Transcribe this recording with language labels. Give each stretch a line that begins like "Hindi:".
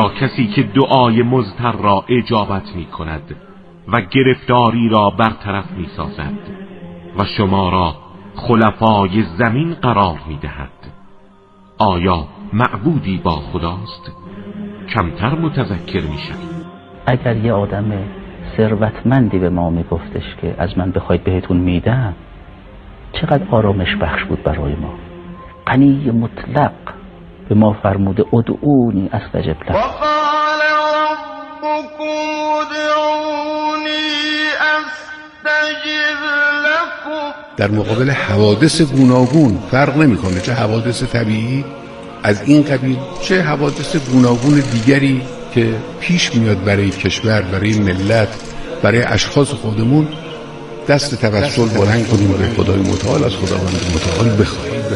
Persian: یا کسی که دعای مضطر را اجابت می کند و گرفتاری را برطرف می سازد و شما را خلفای زمین قرار می دهد، آیا معبودی با خداست؟ کمتر متذکر می شود. اگر یه آدم ثروتمندی به ما می گفتش که از من بخواید بهتون می دم، چقدر آرامش بخش بود برای ما. غنی مطلق به ما فرموده
Arabic: ادعونی استجب لك. وقال ربكم ادعونی استجب لكم.
Persian: در مقابل حوادث گوناگون، فرق نمی کنه چه حوادث طبیعی از این قبیل چه حوادث گوناگون دیگری که پیش میاد برای کشور، برای ملت، برای اشخاص خودمون، دست توسل بلند کنیم به خدای متعال، از خداوند متعال بخواهیم.